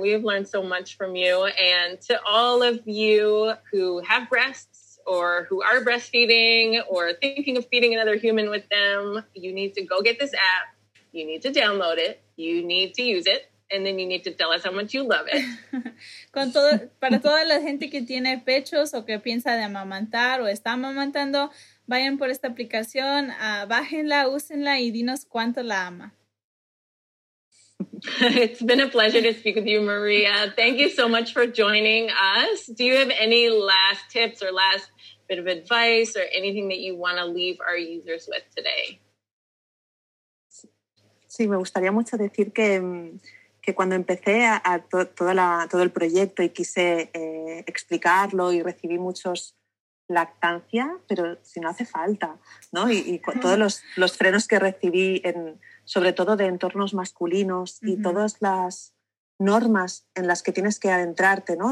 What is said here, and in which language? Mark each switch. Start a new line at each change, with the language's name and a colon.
English: We've learned so much from you. And to all of you who have breasts, or who are breastfeeding, or thinking of feeding another human with them, you need to go get this app. You need to download it, you need to use it, and then you need to tell us how much you love it.
Spanish: Para toda la gente que tiene pechos o que piensa de amamantar o está amamantando, vayan por esta aplicación, bájenla, úsenla y dinos cuánto la ama.
English: It's been a pleasure to speak with you, Maria. Thank you so much for joining us. Do you have any last tips or last bit of advice or anything that you want to leave our users with today?
Spanish: Sí, me gustaría mucho decir que cuando empecé todo el proyecto y quise explicarlo y recibí muchos lactancia, pero si no hace falta, ¿no? Y todos los frenos que recibí, sobre todo de entornos masculinos y todas las normas en las que tienes que adentrarte, ¿no?